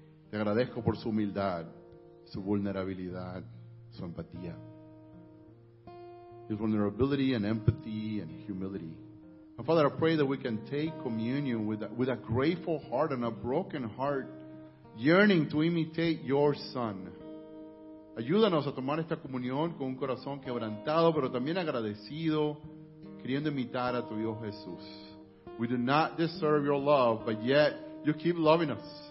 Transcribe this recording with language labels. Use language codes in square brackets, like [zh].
[es] Te agradezco por su humildad, su vulnerabilidad, su empatía. [en] His vulnerability and empathy and humility. And Father, I pray that we can take communion with a grateful heart and a broken heart, yearning to imitate your Son. [es] Ayúdanos a tomar esta comunión con un corazón quebrantado, pero también agradecido, queriendo imitar a tu Hijo Jesús. [en] We do not deserve your love, but yet you keep loving us.